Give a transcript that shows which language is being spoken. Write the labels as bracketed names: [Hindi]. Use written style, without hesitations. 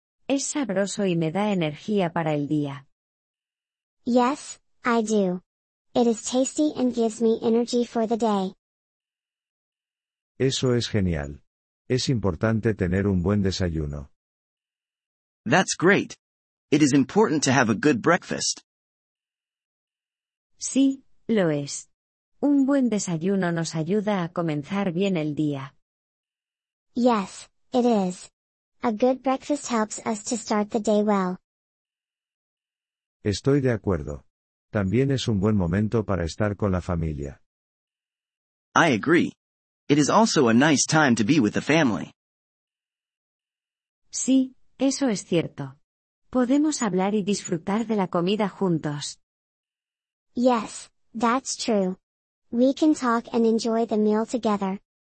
[Spanish] Es sabroso y me da energía para el día. [English] Yes, I do. It is tasty and gives me energy for the day. [Spanish] Eso es genial. Es importante tener un buen desayuno. [English] That's great. It is important to have a good breakfast. [Spanish] Sí, lo es. Un buen desayuno nos ayuda a comenzar bien el día. [English] Yes, it is. A good breakfast helps us to start the day well. [Spanish] Estoy de acuerdo. También es un buen momento para estar con la familia. [English] I agree. It is also a nice time to be with the family. [Spanish] Sí, eso es cierto. Podemos hablar y disfrutar de la comida juntos. [English] Yes, that's true. We can talk and enjoy the meal together.